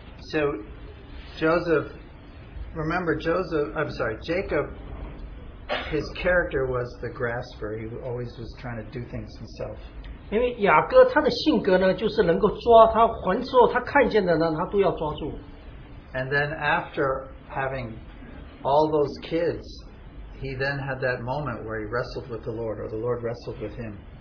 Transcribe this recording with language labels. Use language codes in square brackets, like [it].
[en] So Joseph, remember Joseph, I'm sorry, Jacob, his character was the grasper. He always was trying to do things himself. [zh] 因为雅各他的性格呢，就是能够抓他，凡是他看见的呢，他都要抓住。 [en] And then after having all those kids, he then had that moment where he wrestled with the Lord, or the Lord wrestled with him.